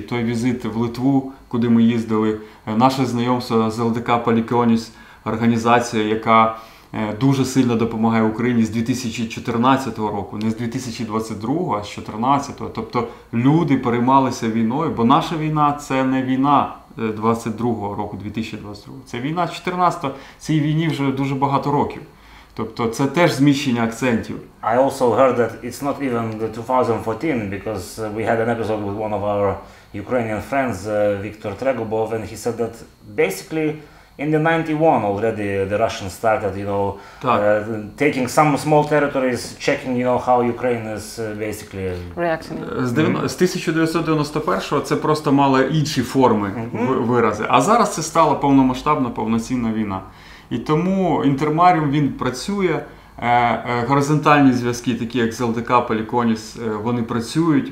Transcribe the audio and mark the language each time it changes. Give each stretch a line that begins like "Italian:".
Ukrainian: Той візит в Литву, куди ми їздили, наше знайомство з ЛДК «Полікіоніс», організація, яка дуже сильно допомагає Україні з 2014 року, не з 2022, а з 2014. Тобто люди переймалися війною, бо наша війна – це не війна 2022 року, 2022. Це війна 2014. Цій війні вже дуже багато років. Тобто це теж зміщення акцентів.
English: I also heard that it's not even the 2014, because we had an episode with one of our Ukrainian friends, Viktor Tregubov, and he said that basically in the 91 already the Russians started, you know, taking some small territories, checking, you know, how Ukraine is basically reacting.
Ukrainian: З 1991-го це просто мало інші форми, вирази. А зараз це стала повномасштабна, повноцінна війна. І тому Інтермаріум, він працює, горизонтальні зв'язки, такі як з ЛДК, Поліконіс, вони працюють.